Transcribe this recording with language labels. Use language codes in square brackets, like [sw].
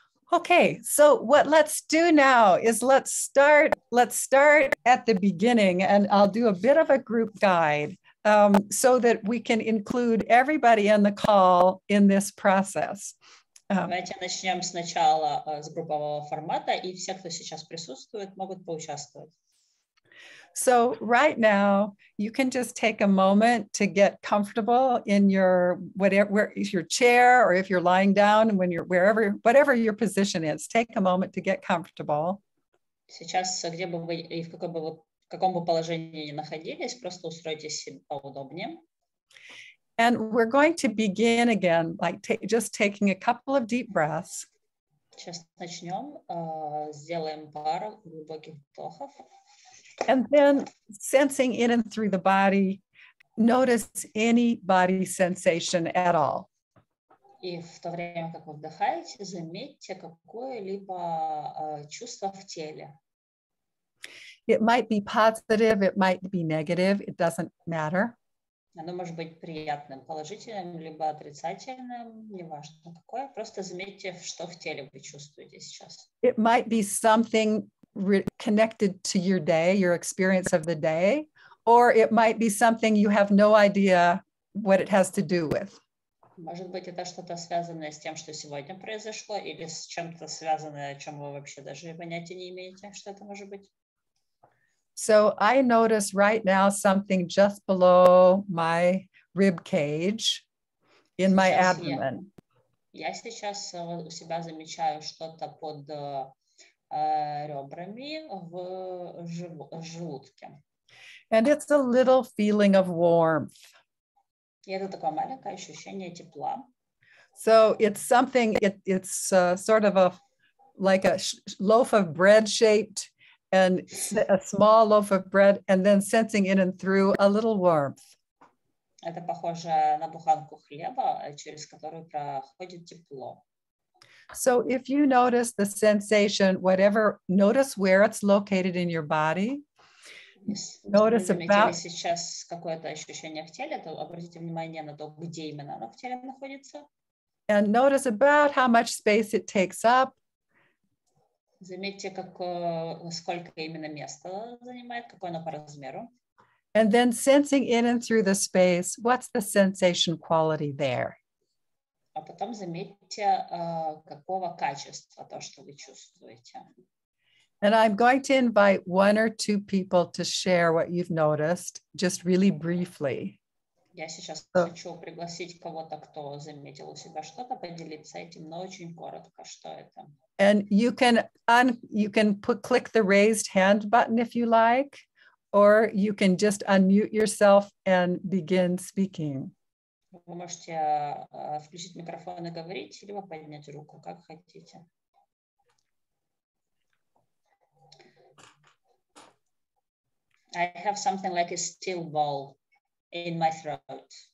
[en] Okay, so what let's do now is let's start at the beginning, and I'll do a bit of a group guide so that we can include everybody in the call in this process. [ru] Давайте начнем сначала с группового формата, и все, кто сейчас присутствует, могут поучаствовать. [en] So right now, you can just take a moment to get comfortable in your chair, or if you're lying down, when you're whatever your position is, take a moment to get comfortable. [ru] Сейчас где бы вы и в каком бы положении ни находились, просто устройтесь поудобнее. [en] And we're going to begin again, like just taking a couple of deep breaths. [ru] Сейчас начнем, сделаем пару глубоких вдохов. [en] And then sensing in and through the body, notice any body sensation at all. [ru] И в то время, как вы вдыхаете, заметьте какое-либо чувство в теле. [en] It might be positive, it might be negative, it doesn't matter. [ru] Оно может быть приятным, положительным, либо отрицательным, неважно какое. Просто заметьте, что в теле вы чувствуете сейчас. [en] It might be something connected to your day, your experience of the day, or it might be something you have no idea what it has to do with. [ru] Может быть, это что-то связанное с тем, что сегодня произошло, или с чем-то связанное, о чем вы вообще даже понятия не имеете, что это может быть. [en] So I notice right now something just below my rib cage in my abdomen. [ru] Я сейчас у себя замечаю что-то под ребрами в желудке. [en] And it's a little feeling of warmth. [ru] И это такое маленькое ощущение тепла. [en] So it's something, it's sort of like a loaf of bread shaped, and a small loaf of bread, and then sensing in and through a little warmth. [ru] Это похоже на буханку хлеба, через которую проходит тепло. [en] So if you notice the sensation, whatever, notice where it's located in your body. Notice about. [ru] Сейчас какое-то ощущение в теле, то обратите внимание на то, где именно оно в теле находится. [en] And notice about how much space it takes up. [ru] Заметьте, сколько именно места занимает, какое оно по размеру. [en] And then sensing in and through the space, what's the sensation quality there? [ru] А потом заметьте, какого качества то, что вы чувствуете. [en] And I'm going to invite one or two people to share what you've noticed, just really briefly. [ru] Я сейчас хочу пригласить кого-то, кто заметил у себя что-то, поделиться этим, но очень коротко, что это. [en] And you can click the raised hand button if you like, or you can just unmute yourself and begin speaking. [ru] Вы можете включить микрофон и говорить, либо поднять руку, как хотите. [en] I have something like a steel ball in my throat.